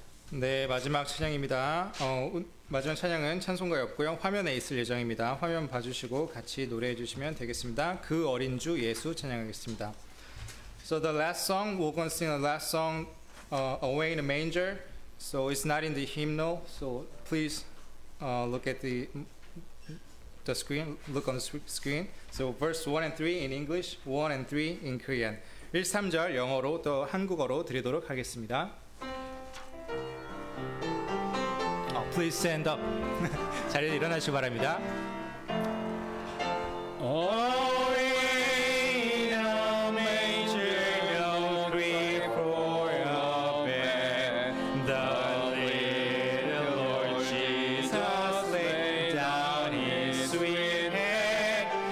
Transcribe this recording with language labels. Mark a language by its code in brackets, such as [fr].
[ko] 네, 마지막 찬양입니다. 마지막 찬양은 찬송가였고요. 화면에 있을 예정입니다. 화면 봐주시고 같이 노래해 주시면 되겠습니다. 그 어린 주 예수 찬양하겠습니다. [en] So the last song, we're going to sing the last song Away in a Manger. So it's not in the hymnal. So please look at the screen. Look on the screen. So verse 1 and 3 in English, 1 and 3 in Korean. [ko] 1, 3절 영어로 또 한국어로 드리도록 하겠습니다. [en] Please stand up. [ko] 자리에 일어나시기 바랍니다. [en] Oh, in a manger, you creep for a bed. The little Lord Jesus laid down his sweet head.